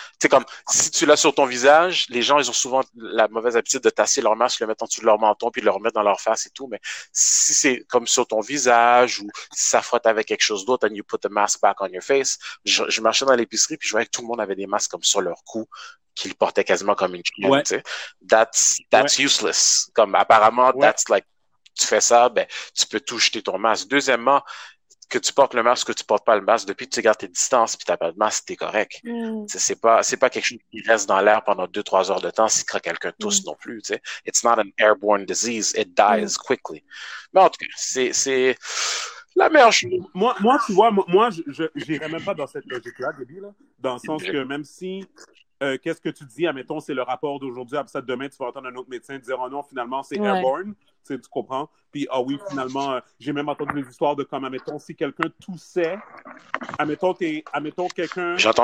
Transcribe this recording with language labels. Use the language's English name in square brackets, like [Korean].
[French] tu sais, comme si tu l'as sur ton visage, les gens ils ont souvent la mauvaise habitude de tasser leur masque, le mettre en dessous de leur menton puis le remettre dans leur face et tout, mais si c'est comme sur ton visage ou si ça frotte avec quelque chose d'autre [English] and you put the mask back on your face, [French] je marchais dans l'épicerie puis je voyais que tout le monde avait des masques comme sur leur cou qu'ils portaient quasiment comme une chienne, tu sais, [English] that's useless, [French] comme apparemment [English] that's like, [French] tu fais ça, ben tu peux tout jeter ton masque. Deuxièmement, que tu portes le masque, que tu portes pas le masque, depuis que tu gardes tes distances puis t'as pas de masque, t'es correct. C'est pas quelque chose qui reste dans l'air pendant 2-3 heures de temps si quelqu'un tousse non plus, tu sais. [English] It's not an airborne disease, it dies quickly. [French] Mais en tout cas, c'est la meilleure chose. Moi tu vois, moi j'irai même pas dans cette logique-là, Gaby, là, dans le sens que même si qu'est-ce que tu dis, admettons, c'est le rapport d'aujourd'hui, après ça, demain, tu vas entendre un autre médecin dire « Oh non, finalement, c'est airborne. » Tu comprends? Puis, ah oui, finalement, j'ai même entendu des histoires de comme, admettons, si quelqu'un toussait, admettons quelqu'un...